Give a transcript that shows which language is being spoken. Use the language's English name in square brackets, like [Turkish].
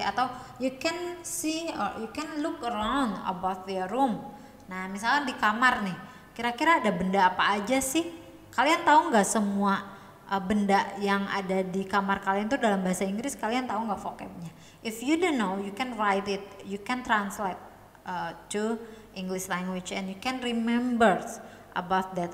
[English] Atau you can see or you can look around about your room. [Indonesian] Nah, misalnya di kamar nih, kira-kira ada benda apa aja sih? Kalian tahu nggak semua benda yang ada di kamar kalian itu dalam bahasa Inggris? Kalian tahu nggak vocabnya? [English] If you don't know, you can write it, you can translate to English language and you can remember about that.